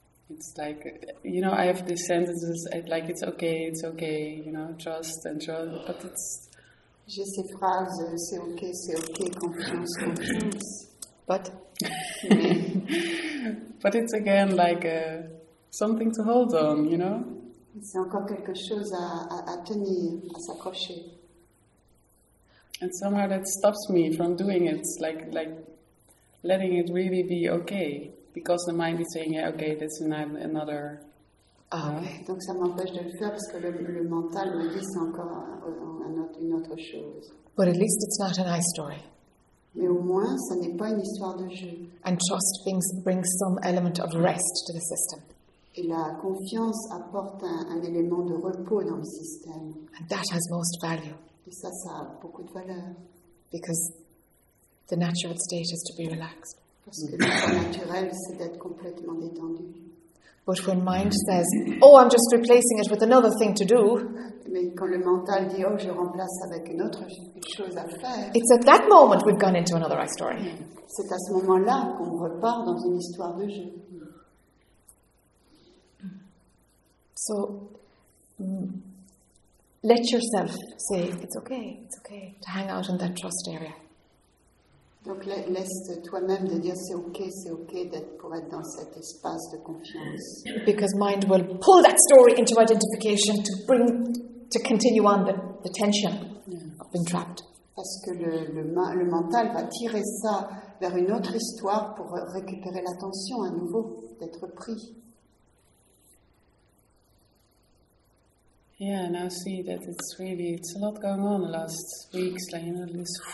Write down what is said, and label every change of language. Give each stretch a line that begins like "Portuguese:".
English: It's like, you know, I have these sentences, like, it's okay, you know, trust, but it's...
French: J'ai ces phrases, c'est okay, confiance, confiance.
English: But... But it's again like something to hold on, you know?
French: C'est encore quelque chose à tenir, à s'accrocher.
English: And somehow that stops me from doing it, like letting it really be okay, because the mind is saying, yeah, okay, that's another... Ah, okay.
French: Donc ça m'empêche de le faire, parce que le mental me dit c'est encore une autre chose.
English: But at least it's not a nice story.
French: Mais au moins, ça n'est pas une histoire de jeu.
English: And trust brings some element of rest to the system.
French: Et la confiance apporte un élément de repos dans le système.
English: And that has most value.
French: Et ça a beaucoup de valeur.
English: Because the natural state is to be relaxed.
French: Parce que l'état naturel, c'est d'être complètement détendu.
English: But when mind says, oh, I'm just replacing it with another thing to do.
French: Mais quand le mental dit, oh, je remplace avec une autre chose à faire.
English: It's at that moment we've gone into another story.
French: C'est à ce moment-là qu'on repart dans une histoire de jeu.
English: So, let yourself say, it's okay, to hang out in that trust area.
French: Donc laisse toi-même de dire c'est ok d'être pour être dans cet espace de confiance.
English: Because mind will pull that story into identification to bring to continue on the tension of being trapped.
French: Parce que le mental va tirer ça vers une autre histoire pour récupérer l'attention à nouveau d'être pris.
English: Yeah, now see that it's a lot going on the last weeks, like, you know, this.